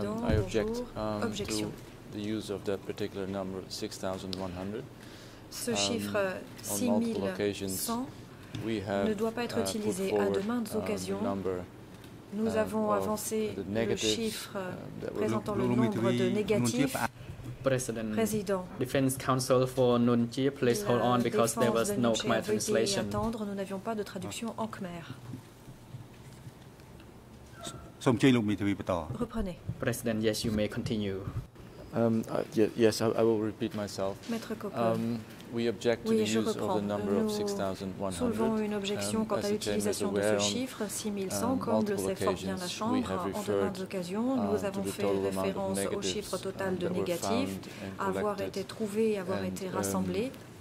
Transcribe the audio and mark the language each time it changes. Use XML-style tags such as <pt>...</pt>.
<en>I object to the use of that particular number, 6,100.</en> <fr>Ce chiffre, 6,100,</fr> <en>we have,</en> <fr>ne doit pas être utilisé à de maintes occasions. Nous avons avancé le chiffre présentant le nombre de négatifs.</fr> <en>President, Defense Counsel for Nunchi, please hold on because there was no Khmer translation.</en> <fr>Attendre. Nous n'avions pas de traduction en Khmer. Reprenez.</fr> <en>President, yes, you may continue. Yes, I will repeat myself.</en> <fr>Maître Copeau.</fr> <en>We object to the use of the number of 6,100.</en> <fr>Nous soulevons une objection quant à l'utilisation de ce chiffre, 6,100, comme le sait fort bien la Chambre. En de maintes occasions, nous avons fait référence au chiffre total de négatifs, avoir été trouvé, avoir été rassemblé.</fr>